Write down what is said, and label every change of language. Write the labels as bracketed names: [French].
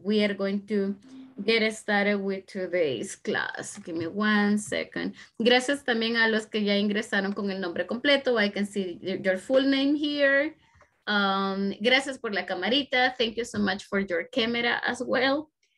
[English] We are going to get started with today's class. Give me one second. [Spanish] Gracias también a los que ya ingresaron con el nombre completo. [English] I can see your full name here. [Spanish] Gracias por la camarita. [English] Thank you so much for your camera as well.